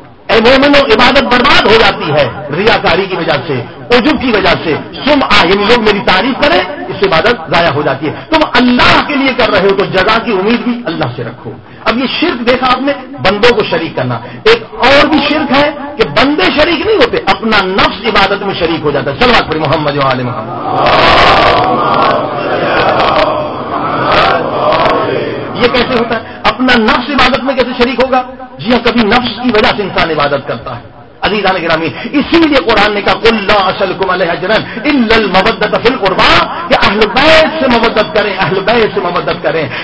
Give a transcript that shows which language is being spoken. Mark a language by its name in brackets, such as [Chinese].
[Urdu] اے مومنوں عبادت برباد ہو جاتی ہے ریاکاری کی وجہ سے, عجب کی وجہ سے. سم آہن لوگ میری تعریف کریں, اس سے عبادت ضائع ہو جاتی ہے. تم اللہ کے لیے کر رہے ہو تو جزا کی امید بھی اللہ سے رکھو. اب یہ شرک دیکھا آپ نے, بندوں کو شریک کرنا. ایک اور بھی شرک ہے کہ بندے شریک نہیں ہوتے, اپنا نفس عبادت میں شریک ہو جاتا ہے. صلوات پڑھی محمد وآل محمد. یہ کیسے ہوتا ہے؟ اپنا نفس عبادت میں کیسے شریک ہوگا؟ جی ہاں, کبھی نفس کی وجہ سے انسان عبادت کرتا ہے. عزیزان گرامی, اسی لیے قرآن نے کہا [Arabic] قل لا اسألکم علیہ اجرن الا المودۃ فی القربٰ, [Urdu] کہ اہل بیت سے مودت کریں, اہل بیت سے مودت کریں.